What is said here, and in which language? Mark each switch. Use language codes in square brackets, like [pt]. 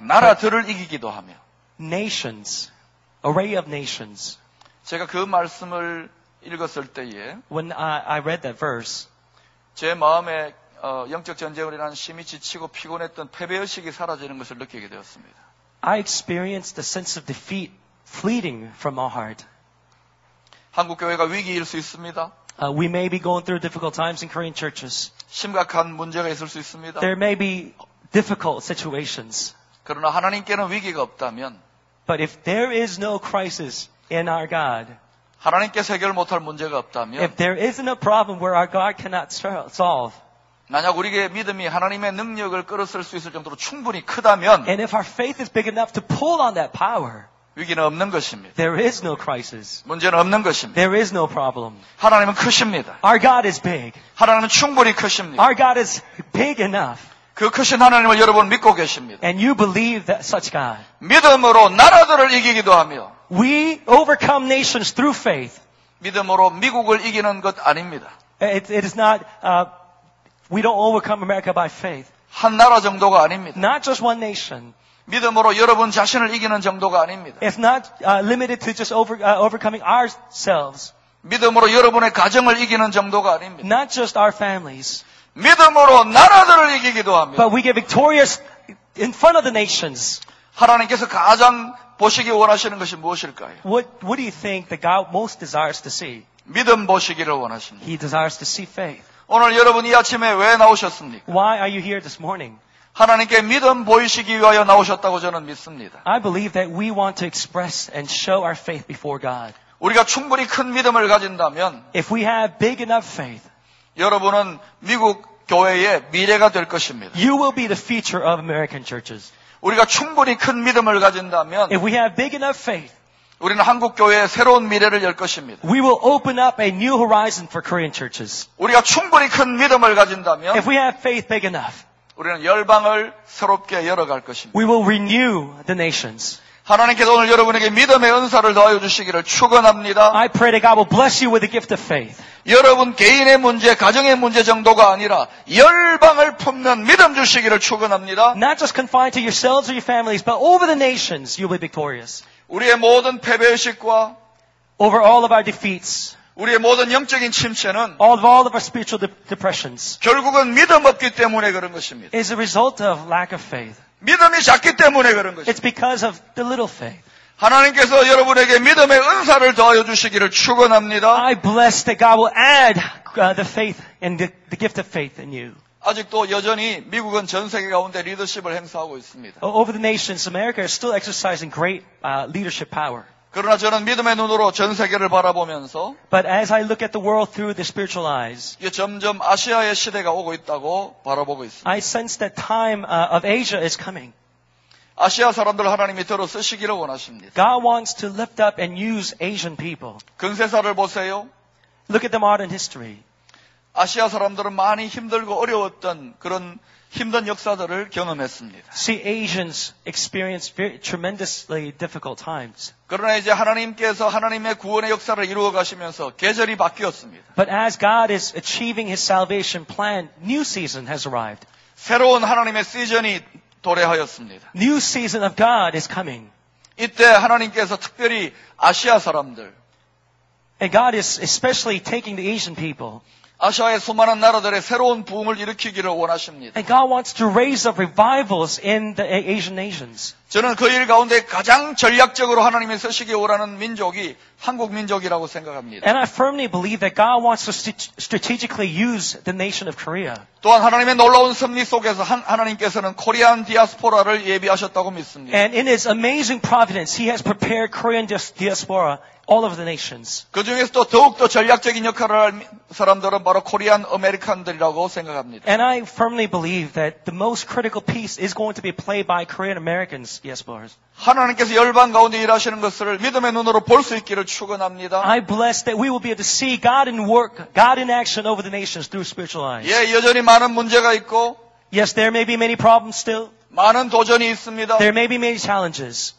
[ko] 나라들을 이기기도 하며. [en] Nations, array of nations. [ko] 제가 그 말씀을 읽었을 때에 [en] When I read that verse, [ko] 제 마음에 영적 전쟁을 인한 심히 지치고 피곤했던 패배의식이 사라지는 것을 느끼게 되었습니다. [en] I experienced the sense of defeat fleeting from my heart. [ko] 한국 교회가 위기일 수 있습니다. [en] We may be going through difficult times in Korean churches. [ko] 심각한 문제가 있을 수 있습니다. [en] There may be difficult situations. [ko] 그러나 하나님께는 위기가 없다면 [en] But if there is no crisis in our God, [ko] 하나님께서 해결 못할 문제가 없다면 [en] If there isn't a problem where our God cannot solve, [ko] 만약 우리의 믿음이 하나님의 능력을 끌어쓸 수 있을 정도로 충분히 크다면 [en] And if our faith is big enough to pull on that power, [ko] 위기는 없는 것입니다. [en] There is no crisis. [ko] 문제는 없는 것입니다. [en] There is no problem. [ko] 하나님은 크십니다. [en] Our God is big. [ko] 하나님은 충분히 크십니다. [en] Our God is big enough. [ko] 그 크신 하나님을 여러분 믿고 계십니다. [en] And you believe that such God. [ko] 믿음으로 나라들을 이기기도 하며. [en] We overcome nations through faith. [ko] 믿음으로 미국을 이기는 것 아닙니다. [en] It is not we don't overcome America by faith. [ko] 한 나라 정도가 아닙니다. [en] Not just one nation. [ko] 믿음으로 여러분 자신을 이기는 정도가 아닙니다. [en] It's not limited to just overcoming ourselves. [ko] 믿음으로 여러분의 가정을 이기는 정도가 아닙니다. [en] Not just our families. [ko] 믿음으로 나라들을 이기기도 합니다. [en] But we get victorious in front of the nations. [ko] 하나님께서 가장 보시기 원하시는 것이 무엇일까요? [en] What do you think that God most desires to see? [ko] 믿음 보시기를 원하십니다. [en] He desires to see faith. [ko] 오늘 여러분 이 아침에 왜 나오셨습니까? [en] Why are you here this morning? [ko] 하나님께 믿음 보이시기 위하여 나오셨다고 저는 믿습니다. [en] I believe that we want to express and show our faith before God. [ko] 우리가 충분히 큰 믿음을 가진다면 [en] If we have big enough faith, [ko] 여러분은 미국 교회의 미래가 될 것입니다. [en] You will be the future of American churches. [ko] 우리가 충분히 큰 믿음을 가진다면 [en] If we have big enough faith, [ko] 우리는 한국 교회의 새로운 미래를 열 것입니다. [en] We will open up a new horizon for Korean churches. [ko] 우리가 충분히 큰 믿음을 가진다면 [en] If we have faith big enough, [ko] 우리는 열방을 새롭게 열어갈 것입니다. [en] We will renew the nations. [ko] 하나님께서 오늘 여러분에게 믿음의 은사를 더하여 주시기를 축원합니다. [en] I pray that God will bless you with the gift of faith. [ko] 여러분 개인의 문제, 가정의 문제 정도가 아니라 열방을 품는 믿음 주시기를 축원합니다. [en] Not just confined to yourselves or your families, but over the nations, you will be victorious. [ko] 우리의 모든 패배의식과 [en] over all of our defeats. [ko] 우리의 모든 영적인 침체는 [en] all of our spiritual depressions [ko] 결국은 믿음 없기 때문에 그런 것입니다. [en] is a result of lack of faith. [ko] 믿음이 작기 때문에 그런 것입니다. [en] It's because of the little faith. [ko] 하나님께서 여러분에게 믿음의 은사를 더하여 주시기를 축원합니다. [en] I bless that God will add the faith and the gift of faith in you. [ko] 아직도 여전히 미국은 전 세계 가운데 리더십을 행사하고 있습니다. [en] Over the nations, America is still exercising great leadership power. [ko] 그러나 저는 믿음의 눈으로 전 세계를 바라보면서 [en] But as I look at the world through the spiritual eyes, [ko] 이게 점점 아시아의 시대가 오고 있다고 바라보고 있습니다. [en] I sense that time of Asia is coming. [ko] 아시아 사람들 하나님이 들어 쓰시기를 원하십니다. [en] God wants to lift up and use Asian people. [ko] 근세사를 보세요. [en] Look at the modern history. [ko] 아시아 사람들은 많이 힘들고 어려웠던 그런 힘든 역사들을 경험했습니다. [en] See, Asians experienced very tremendously difficult times. [ko] 그러나 이제 하나님께서 하나님의 구원의 역사를 이루어 가시면서 계절이 바뀌었습니다. [en] But as God is achieving His salvation plan, new season has arrived. [ko] 새로운 하나님의 시즌이 도래하였습니다. [en] New season of God is coming. [ko] 이때 하나님께서 특별히 아시아 사람들 [en] And God is especially taking the Asian people [ko] 아시아의 수많은 나라들의 새로운 부흥을 일으키기를 원하십니다. [en] And God wants to raise up revivals in the Asian nations. [ko] 저는 그 일 가운데 가장 전략적으로 하나님이 쓰시기 원하는 민족이 한국 민족이라고 생각합니다. [en] And I firmly believe that God wants to strategically use the nation of Korea. [ko] 또한 하나님의 놀라운 섭리 속에서 하나님께서는 코리안 디아스포라를 예비하셨다고 믿습니다. [en] And in His amazing providence, He has prepared Korean diaspora all of the nations. [ko] 그 중에서도 더욱더 전략적인 역할을 할 사람들은 바로 코리안 아메리칸들이라고 생각합니다. [en] And I firmly believe that the most critical piece is going to be played by Korean Americans. Yes, Lord. [ko] 하나님께서 열방 가운데 일하시는 것을 믿음의 눈으로 볼 수 있기를 축원합니다. [en] I bless that we will be able to see God in work, God in action over the nations through spiritual eyes. [ko] 예, 여전히 많은 문제가 있고. [en] Yes, there may be many problems still. [ko] 많은 도전이 있습니다. [en] There may be many challenges.